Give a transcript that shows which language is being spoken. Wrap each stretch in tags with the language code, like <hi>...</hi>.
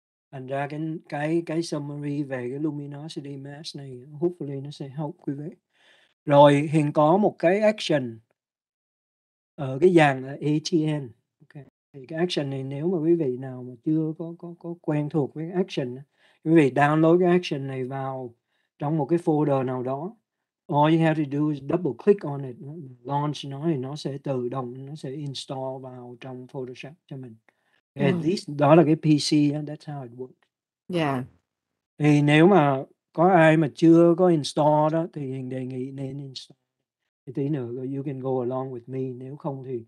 <vi>Thành ra cái summary về cái luminosity mask này, hopefully nó sẽ help quý vị. Rồi hiện có một cái action ở cái dạng là ATN. Okay. Thì cái action này nếu mà quý vị nào mà chưa có quen thuộc với action, quý vị download cái action này vào trong một cái folder nào đó.</vi> <en>All you have to do is double click on it.</en> <vi>Launch nó thì nó sẽ tự động, nó sẽ install vào trong Photoshop cho mình.</vi> <en>At least</en> <vi>đó là cái</vi> <en>PC, that's how it works.</en> <vi>Dạ. Thì nếu mà có ai mà chưa có install đó thì Hiền đề nghị nên install. Thì tí nữa</vi> <en>you can go along with me,</en> <vi>nếu không thì</vi>